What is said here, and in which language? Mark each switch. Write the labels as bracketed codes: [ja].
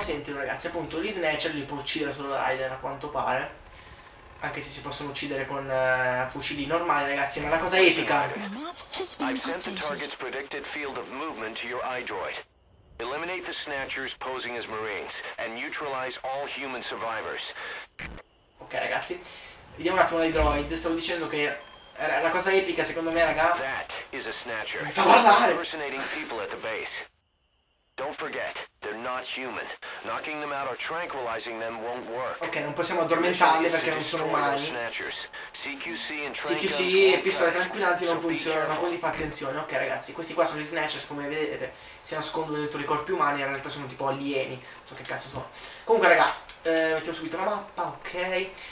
[it] Sentilo, ragazzi, appunto, gli Snatcher li può uccidere solo Raiden, a quanto pare. Anche se si possono uccidere con fucili normali, ragazzi, ma è una cosa epica. [en] I've sent the target's predicted field of movement to your iDroid. Eliminate the snatchers posing as Marines and neutralize all human survivors. [it] Ok, ragazzi, vediamo un attimo dei droid. Stavo dicendo che era la cosa epica, secondo me, raga. [en] That is a snatcher. [it] Mi fa parlare. [en] Impersonating people at the base. Don't forget, they're not human. Knocking them out or tranquilizing them won't work. [it] Ok, non possiamo addormentarli perché non sono umani. CQC e pistole tranquillanti non funzionano, quindi fa attenzione. Ok, ragazzi, questi qua sono gli Snatcher, come vedete, si nascondono dentro i corpi umani, in realtà sono tipo alieni. Non so che cazzo sono. Comunque, raga, mettiamo subito la mappa, ok.